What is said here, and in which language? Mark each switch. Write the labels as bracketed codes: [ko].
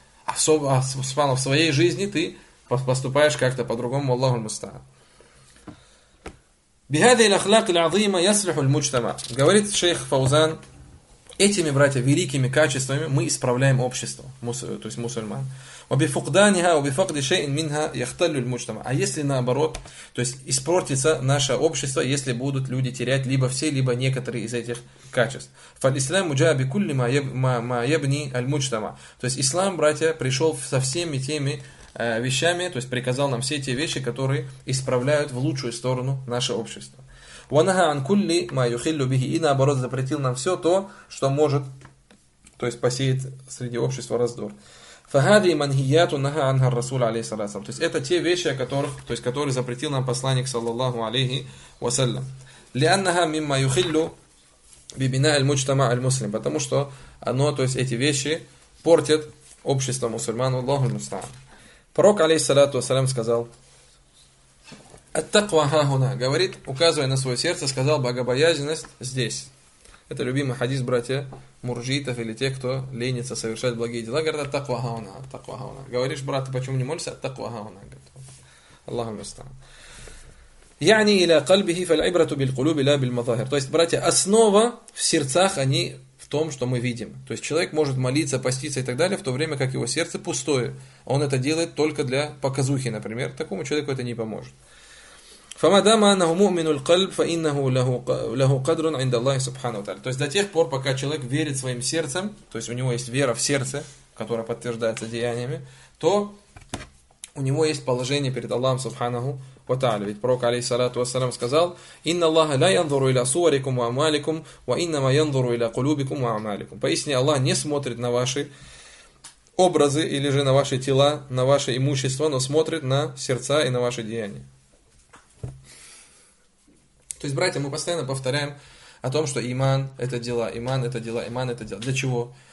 [ru] А, субханна, в своей жизни ты поступаешь как-то по-другому, Аллаху муста. [ar] Бихадий лахлак лазима ясриху лмучтама. [ru] Говорит шейх Фаузан, этими, братья, великими качествами мы исправляем общество, то есть мусульман. [ar] وبفقدانها وبفقد شيء منها يختل المجتمع. [ru] А если наоборот, то есть испортится наше общество, если будут люди терять либо все, либо некоторые из этих качеств. [ar] فالإسلام جاء بكل ما يبني المجتمع. [ru] То есть ислам, братья, пришел со всеми теми вещами, то есть приказал нам все те вещи, которые исправляют в лучшую сторону наше общество. [ar] ونهى عن كل ما يخل به. [ru] И наоборот, запретил нам все то, что может, то есть посеять среди общества раздор. [ar] فهذه منهيات نهى عنها الرسول عليه الصلاة والسلام. [ru] То есть это те вещи, которых, то есть которые запретил нам посланник саллаллаху алейхи ва саллям. [ar] لأنها مما يخل ببناء المجتمع المسلم. [ru] Потому что оно, то есть эти вещи портят общество мусульман, Аллаху мустаан. Пророк алейхи саллату ва саллям сказал: [ar] التقوى ها هنا. [ru] Говорит, указывая на свое сердце, сказал: богобоязненность здесь. Это любимый хадис, братья, муржитов или тех, кто ленится совершать благие дела. Говорят, [ar] «Аттаква хауна, [ru] аттаква хауна». Говоришь, брат, ты почему не молишься? «Аттаква хауна». Аллаху мустаан. [ar] «Яни иля кальбихи фаль-ибрату биль-кулуби ля биль-мазахир». [ru] То есть, братья, основа в сердцах, они в том, что мы видим. То есть, человек может молиться, поститься и так далее, в то время как его сердце пустое. Он это делает только для показухи, например. Такому человеку это не поможет. [ar] فَمَا دَمَا أَنَّهُ مُؤْمِنُ الْقَلْبِ فَإِنَّهُ لَهُ قَدْرٌ عِنْدَ اللَّهِ سُبْحَانَهُ وَتَعَالَى. [ru] То есть до тех пор, пока человек верит своим сердцем, то есть у него есть вера в сердце, которая подтверждается деяниями, то у него есть положение перед Аллахом Субханаху وَتَعَالَى. Ведь пророк алейхиссалату вассалям сказал: [ar] إِنَّ اللَّهَ لَا يَنْظُرُ إِلَى صُوَرِكُمْ وَأَمْوَالِكُمْ وَإِنَّمَا يَنْظُرُ إِلَى قُلُوبِكُمْ وَأَعْمَالِكُمْ. [ru] Поистине Аллах не смотрит на ваши образы или же на ваши тела, на ваше имущество, но смотрит на сердца и на ваши деяния. То есть, братья, мы постоянно повторяем о том, что иман – это дела, иман – это дела, иман – это дела. Для чего?